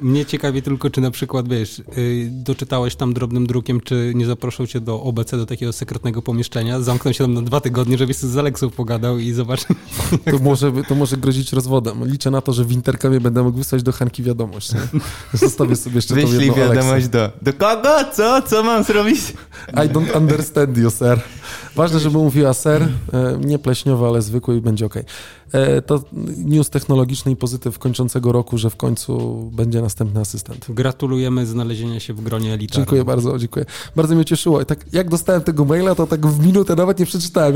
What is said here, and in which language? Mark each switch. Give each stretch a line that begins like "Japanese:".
Polish: Mnie ciekawi tylko, czy na przykład, wiesz, doczytałeś tam drobnym drukiem, czy nie zaproszą cię do OBC, do takiego sekretnego pomieszczenia, zamknął się tam na 2 tygodnie, żebyś z Aleksą pogadał i zobaczył. To może grozić rozwodem. Liczę na to, że w interkamie będę mógł wysłać do Hanki wiadomość, nie? Zostawię sobie jeszcze wyślij tą jedną wiadomość Aleksę. Do kogo? Co mam zrobić?
English: I don't understand you, sir.
Polish: Ważne, żeby mówiła ser, nie pleśniowy, ale zwykły i będzie okej. To news technologiczny i pozytyw kończącego roku, że w końcu będzie następny asystent. Gratulujemy znalezienia się w gronie elitarnym. Dziękuję bardzo, dziękuję. Bardzo mnie cieszyło. I tak, jak dostałem tego maila, to tak w minutę nawet nie przeczytałem.